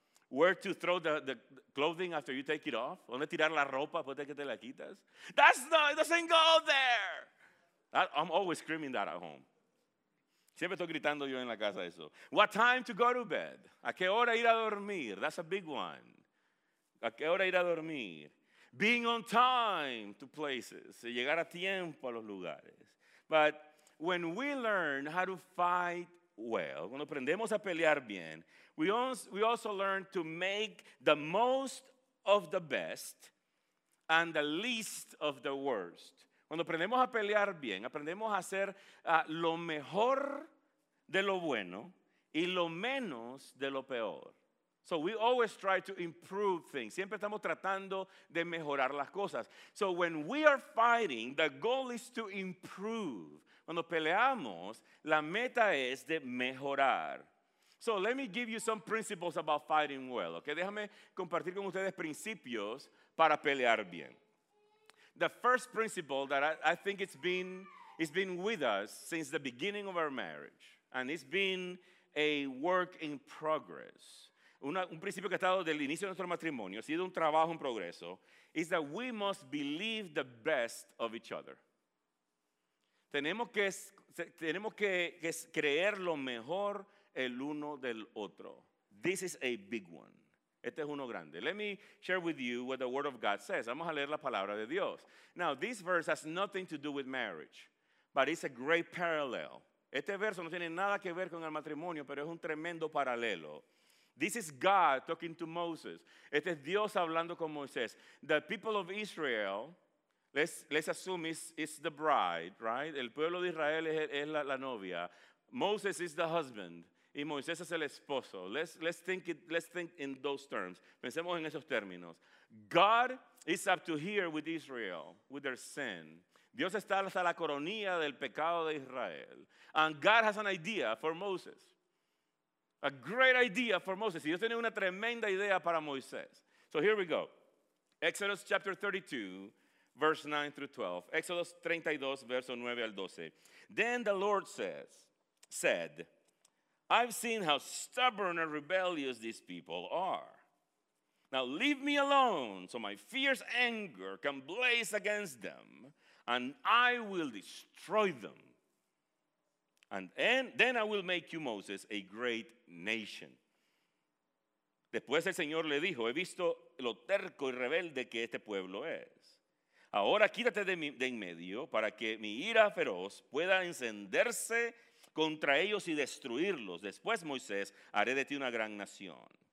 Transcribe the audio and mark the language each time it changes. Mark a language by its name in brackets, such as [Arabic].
[English] Where to throw the clothing after you take it off? [Spanish] ¿Dónde tirar la ropa después de que te la quitas? [English] That's not, it doesn't go there. I'm always screaming that at home. [Spanish] Siempre estoy gritando yo en la casa eso. [English] What time to go to bed? [Spanish] ¿A qué hora ir a dormir? [English] That's a big one. [Spanish] ¿A qué hora ir a dormir? [English] Being on time to places. [Spanish] Llegar a tiempo a los lugares. [English] But when we learn how to fight well, [Spanish] cuando aprendemos a pelear bien, [English] we also learn to make the most of the best and the least of the worst. [Spanish] Cuando aprendemos a pelear bien, aprendemos a hacer lo mejor de lo bueno y lo menos de lo peor. [English] So we always try to improve things. [Spanish] Siempre estamos tratando de mejorar las cosas. [English] So when we are fighting, the goal is to improve. [Spanish] Cuando peleamos, la meta es de mejorar. [English] So let me give you some principles about fighting well. [Spanish] Okay, déjame compartir con ustedes principios para pelear bien. [English] The first principle that I think it's been with us since the beginning of our marriage, and it's been a work in progress. [Spanish] Un principio que ha estado desde el inicio de nuestro matrimonio, ha sido un trabajo en progreso, [English] is that we must believe the best of each other. [Spanish] Tenemos que creer lo mejor el uno del otro. [English] This is a big one. [Spanish] Este es uno grande. [English] Let me share with you what the Word of God says. [Spanish] Vamos a leer la palabra de Dios. [English] Now, this verse has nothing to do with marriage, but it's a great parallel. [Spanish] Este verso no tiene nada que ver con el matrimonio, pero es un tremendo paralelo. [English] This is God talking to Moses. [Spanish] Este es Dios hablando con Moisés. [English] The people of Israel, let's assume it's the bride, right? [Spanish] El pueblo de Israel es la novia. [English] Moses is the husband. [Spanish] Y Moisés es el esposo. [English] Let's think in those terms. [Spanish] Pensemos en esos términos. [English] God is up to here with Israel, with their sin. [Spanish] Dios está hasta la coronilla del pecado de Israel. [English] And God has an idea for Moses. A great idea for Moses. [Spanish] Y Dios tiene una tremenda idea para Moisés. [English] So here we go. Exodus chapter 32, verse 9 through 12. [Spanish] Exodus 32, verso 9 al 12. [English] Then the Lord said, I've seen how stubborn and rebellious these people are. Now leave me alone so my fierce anger can blaze against them and I will destroy them. And then I will make you, Moses, a great nation. [Spanish] Después el Señor le dijo, he visto lo terco y rebelde que este pueblo es. Ahora quítate de en medio para que mi ira feroz pueda encenderse contra ellos y destruirlos. Después, Moisés, haré de ti una gran nación.